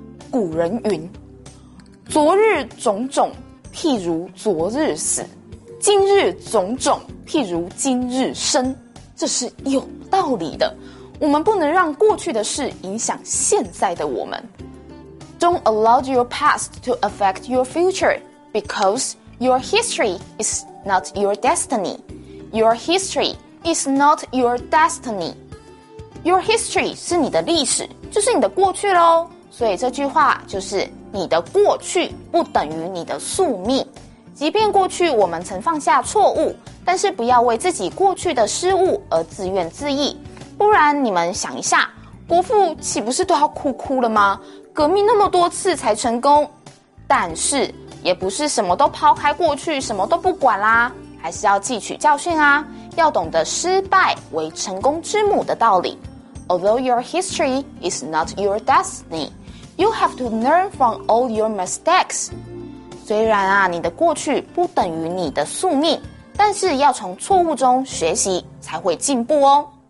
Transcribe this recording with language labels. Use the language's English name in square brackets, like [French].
[Chinese] 古人云，昨日种种譬如昨日死，今日种种譬如今日生，这是有道理的。我们不能让过去的事影响现在的我们。 [English] Don't allow your past to affect your future becauseYour history is not your destiny. Your history is not your destiny. Your history [Chinese] 是你的历史，就是你的过去咯。所以这句话就是你的过去不等于你的宿命。即便过去我们曾犯下错误，但是不要为自己过去的失误而自怨自艾。不然你们想一下，国父岂不是都要哭哭了吗？革命那么多次才成功，但是也不是什么都抛开过去什么都不管啦，还是要汲取教训啊，要懂得失败为成功之母的道理。 [English] Although your history is not your destiny, you have to learn from all your mistakes. [Chinese] 虽然啊，你的过去不等于你的宿命，但是要从错误中学习才会进步哦。